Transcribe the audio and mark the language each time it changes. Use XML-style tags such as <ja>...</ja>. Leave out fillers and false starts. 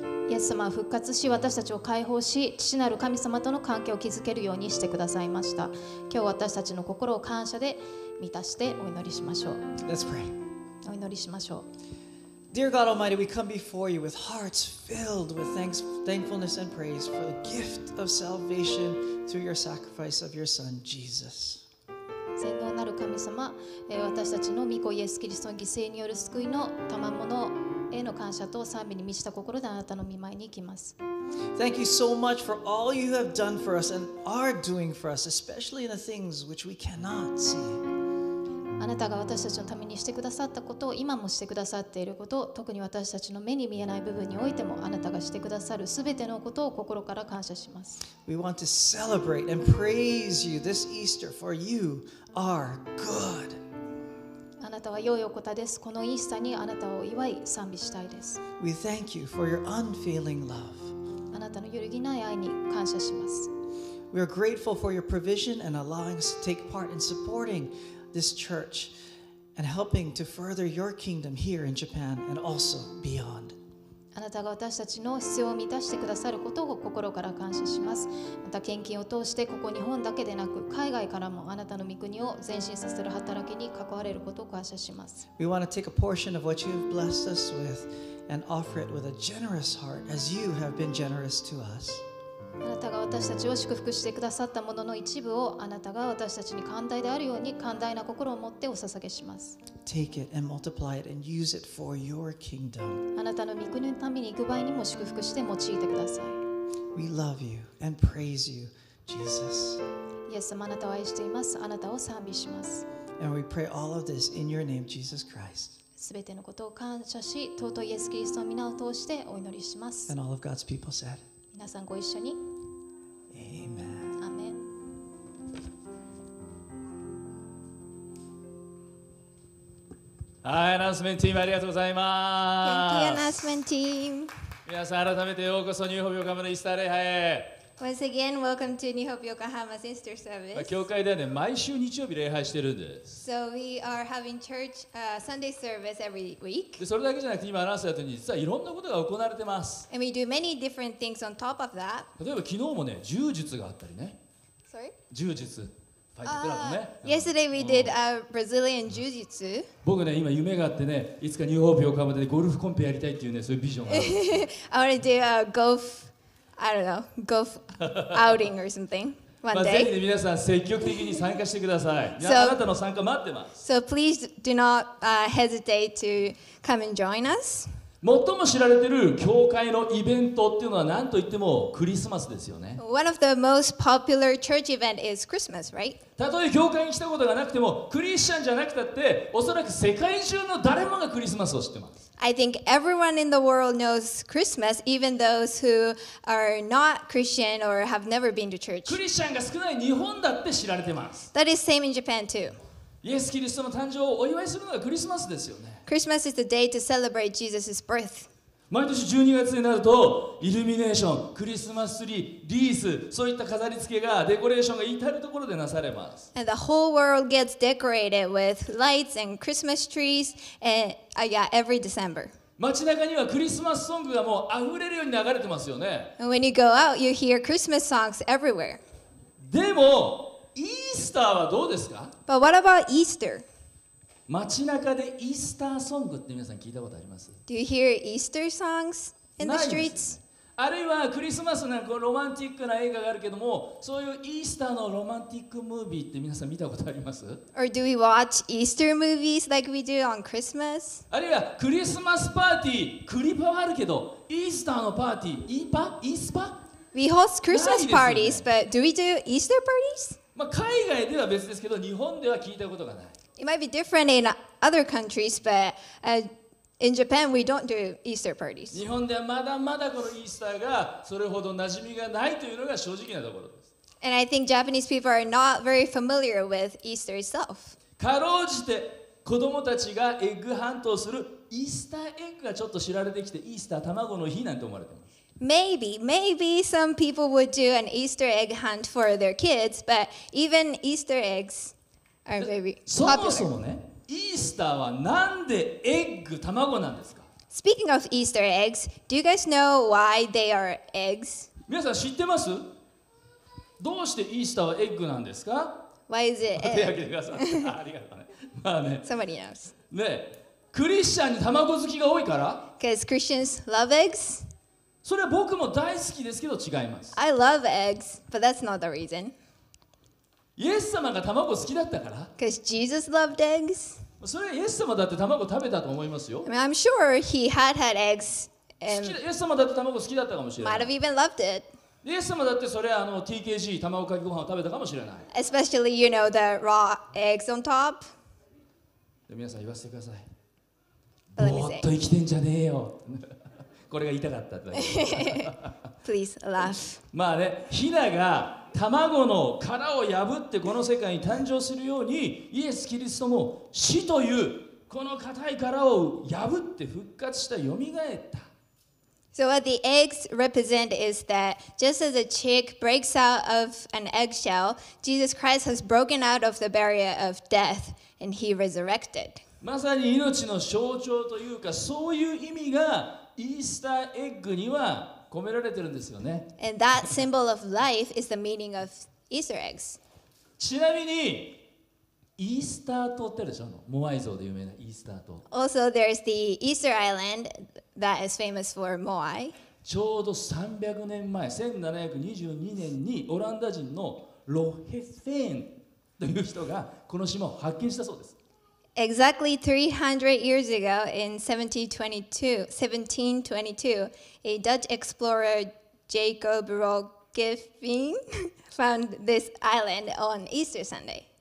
<ja>イエス様は復活し私たちを解放し父なる神様との関係を築けるようにしてくださいました。今日私たちの心を感謝で満たしてお祈りしましょう。</ja> <en>Let's pray.</en> <ja>お祈りしましょう。</ja> <en>Dear God Almighty, we come before you with hearts filled with thankfulness and praise for the gift of salvation through your sacrifice of your son Jesus.</en> <ja>全能なる神様、私たちの御子イエスキリストの犠牲による救いの賜物への感謝と賛美に満ちた心であなたの御前に行きます。</ja> <en>Thank you so much for all you have done for us and are doing for us, especially in the things which we cannot see.</en> <ja>あなたが私たちのためにしてくださったことを今もしてくださっていること、特に私たちの目に見えない部分においてもあなたがしてくださるすべてのことを心から感謝します。</ja> <en>We want to celebrate and praise you this Easter, for you are good.</en> <ja>あなたは良いお方です。このイースターにあなたを祝い賛美したいです。</ja> <en>We thank you for your unfailing love.</en> <ja>あなたの揺るぎない愛に感謝します。</ja> <en>We are grateful for your provision and allowing us to take part in supporting this church and helping to further your kingdom here in Japan and also beyond.</en> <ja>あなたが私たちの必要を満たしてくださることを心から感謝します。また献金を通してここ日本だけでなく海外からもあなたの御国を前進させる働きに関われることを感謝します。</ja> <en>We want to take a portion of what you've blessed us with and offer it with a generous heart as you have been generous to us.</en> <ja>あなたが私たちを祝福してくださったものの一部をあなたが私たちに寛大であるように寛大な心を持ってお捧げします。</ja> <en>Take it and multiply it and use it for your kingdom.</en> <ja>あなたの御国のために行く場合にも祝福して用いてください。</ja> <en>We love you and praise you, Jesus. Yes,</en> <ja>あなたを愛しています。あなたを賛美します。</ja> <en>And we pray all of this in your name, Jesus Christ.</en> <ja>すべてのことを感謝し、尊いイエス・キリストの名を通してお祈りします。</ja> <en>And all of God's people said.</en> <ja>皆さんご一緒に。</ja> <en>Amen. Amen.</en> <ja>はい、アナウンスメントチームありがとうございます。</ja> <en>Thank you, announcement team.</en> <ja>皆さん改めてようこそニューホープ横浜のイースター礼拝へ。</ja> <en>Once again, welcome to New Hope Yokohama's Easter service.</en> <ja>教会ではね、毎週日曜日礼拝してるんです</ja> <en>。 So we are having church, Sunday service every week.</en> <ja>で、それだけじゃなくて今アナウンスやってるのに実はいろんなことが行われてます。</ja> <en>And we do many different things on top of that.</en> <ja>例えば昨日もね、柔術があったりね。</ja> <en>Sorry?</en> <ja>柔術。</ja> <en>Yesterday we did a Brazilian Jiu-Jitsu.</en> <ja>僕ね今夢があってね、いつかニューホープ横浜でゴルフコンペやりたいっていうね、そういうビジョンがある。</ja> <en>I want to do a golf, I don't know, golf outing or something one day.</en> <ja>ぜひ皆さん積極的に参加してください。あなたの参加待ってます。</ja> <en>So please do not hesitate to come and join us.</en> <ja>最も知られてる教会のイベントっていうのは何といってもクリスマスですよね。</ja> <en>One of the most popular church event is Christmas, right?</en> <ja>たとえ教会に来たことがなくてもクリスチャンじゃなくたっておそらく世界中の誰もがクリスマスを知ってます。</ja> <en>I think everyone in the world knows Christmas, even those who are not Christian or have never been to church.</en> <ja>クリスチャンが少ない日本だって知られてます。</ja> <en>That is same in Japan too.</en> <ja>イエス・キリストの誕生をお祝いするのがクリスマスですよね。</ja> <en>Christmas is the day to celebrate Jesus' birth.</en> <ja>毎年12月になるとイルミネーション、クリスマスツリー、リース、そういった飾り付けが、デコレーションが至るところでなされます。</ja> <en>And the whole world gets decorated with lights and Christmas trees and, every December.</en> <ja>街中にはクリスマスソングがもう溢れるように流れてますよね。</ja> <en>And when you go out, you hear Christmas songs everywhere.</en> <ja>でも、イースターはどうですか?</ja> <en>But what about Easter?</en> <ja>街中でイースターソングって皆さん聞いたことあります？</ja> <en>Do you hear Easter songs in the streets?</en> <ja>あるいはクリスマスなんかロマンティックな映画があるけども、そういうイースターのロマンティックムービーって皆さん見たことあります？</ja> <en>Or do we watch Easter movies like we do on Christmas?</en> <ja>あるいはクリスマスパーティー、クリパはあるけど、イースターのパーティー、イースパ?</ja> <en>We host Christmas parties, but do we do Easter parties?</en> <ja>まあ海外では別ですけど、日本では聞いたことがない。</ja> <en>It might be different in other countries, but in Japan, we don't do Easter parties.</en> <ja>日本ではまだまだこのイースターがそれほど馴染みがないというのが正直なところです。</ja> <en>And I think Japanese people are not very familiar with Easter itself.</en> <ja>かろうじて子供たちがエッグハントをするイースターエッグがちょっと知られてきて、イースター卵の日なんて思われてます。</ja> <en>Maybe some people would do an Easter egg hunt for their kids, but even Easter eggs are very popular.</en> <ja>そもそもね、イースターはなんでエッグ、卵なんですか？</ja> <en>Speaking of Easter eggs, do you guys know why they are eggs?</en> <ja>皆さん知ってます？どうしてイースターはエッグなんですか？</ja> <en>Why is it egg?</en> <ja>手挙げてください。ありがとうね。まあね。</ja> <en>Somebody knows.</en> <ja>ね、クリスチャンに卵好きが多いから？</ja> <en>Because Christians love eggs?</en> <ja>それは僕も大好きですけど違います。</ja> <en>I love eggs, but that's not the reason.</en> <ja>イエス様が卵好きだったから。</ja> <en>Because Jesus loved eggs.</en> <ja>それはイエス様だって卵食べたと思いますよ。</ja> <en>I mean, I'm sure he had eggs.</en> <ja>イエス様だって卵好きだったかもしれない。</ja> <en>Might have even loved it.</en> <ja>イエス様だってそれはあの TKG 卵かけご飯を食べたかもしれない。</ja> <en>Especially, you know, the raw eggs on top.</en> <ja>で皆さん言わせてください。ぼーっと生きてんじゃねえよ。これが痛かったと。</ja> <en>Please laugh.</en> <ja>まあね、ヒナが卵の殻を破ってこの世界に誕生するようにイエス・キリストも死というこの硬い殻を破って復活した、蘇った。</ja> <en>So what the eggs represent is that just as a chick breaks out of an eggshell, Jesus Christ has broken out of the barrier of death and he resurrected.</en> <ja>まさに命の象徴というか、そういう意味がイースターエッグには込められてるんですよね。</ja> <en>And that symbol of life is the meaning of Easter eggs.</en> <ja>ちなみにイースター島ってあるでしょ？モアイ像で有名なイースター島。</ja> <en>Also, there is the Easter Island that is famous for Moai.</en> <ja>ちょうど300年前、1722年にオランダ人のロヘフェーンという人がこの島を発見したそうです。</ja> <en>Exactly 300 years ago, in 1722, a Dutch explorer Jacob Roggeveen found this island on Easter Sunday.</en>